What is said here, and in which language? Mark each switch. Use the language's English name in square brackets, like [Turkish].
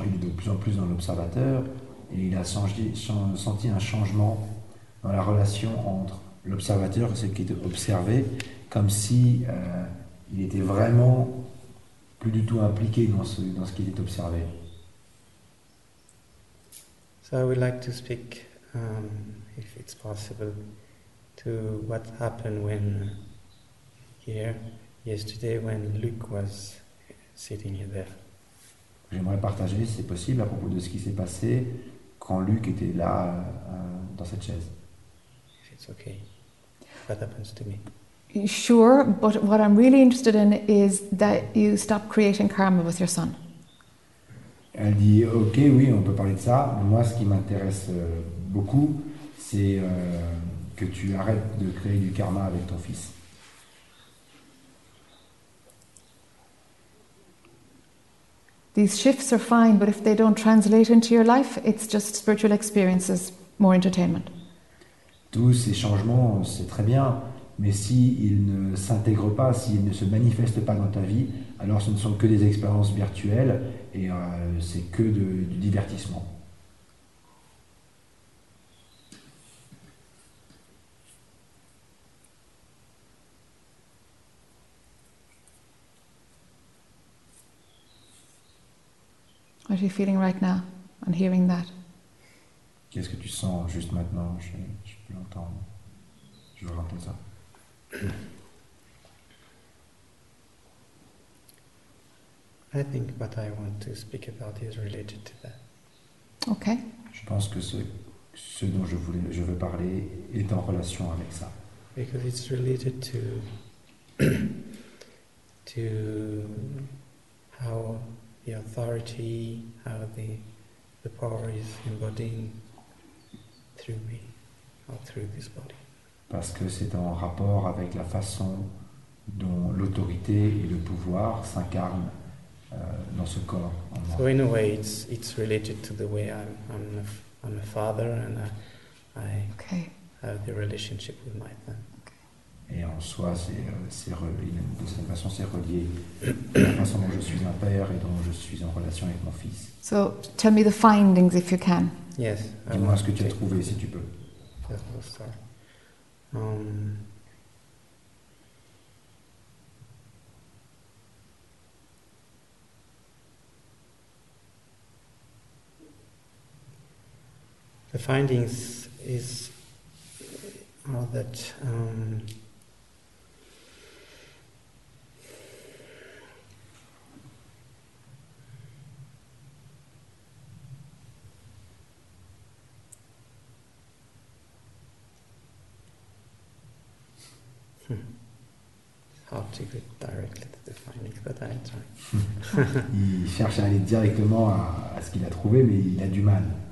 [French] Il est de plus en plus dans l'observateur, et il a senti un changement dans la relation entre l'observateur et ce qui est observé, comme si il était vraiment plus du tout impliqué dans ce qui est observé. [English] So I would like to speak, if it's possible, to what happened when. Here, yesterday, when Luc was sitting there. [French] J'aimerais partager, si c'est possible, à propos de ce qui s'est passé quand Luc était là, dans cette chaise. [English] If it's okay. What happens to me? Sure, but what I'm really interested in is that you stop creating karma with your son. [French] Elle dit, ok, oui, on peut parler de ça. Moi, ce qui m'intéresse beaucoup, c'est que tu arrêtes de créer du karma avec ton fils. [English] These shifts are fine, but if they don't translate into your life, it's just spiritual experiences, more entertainment. [French] Tous ces changements, c'est très bien, mais si ils ne s'intègrent pas, s'ils ne se manifestent pas dans ta vie, alors ce ne sont que des expériences virtuelles et c'est que du divertissement. [English] are you feeling right now on hearing that? [French] Qu'est-ce que tu sens juste maintenant? Je peux l'entendre. Je veux entendre ça. [English] I think what I want to speak about is related to that. Okay. [French] Je pense que ce dont je veux parler est en relation avec ça. [English] Because it's related to to how the authority, how the power is embodied through me or through this body. [French] Parce que c'est en rapport avec la façon dont l'autorité et le pouvoir s'incarnent dans ce corps. [English] So in a way, it's related to the way I'm a father and I have the relationship with my son. [French] Et en soi, de cette façon, c'est relié à la façon dont je suis un père et dont je suis en relation avec mon fils. [English] So, tell me the findings if you can. Yes. [French] Dis-moi ce que tu as trouvé, si tu peux. [English] Yes, I'll start. The findings are that. Hard to get directly to the findings, but I try. [French] Il cherche à aller directement à ce qu'il a trouvé, mais il a du mal.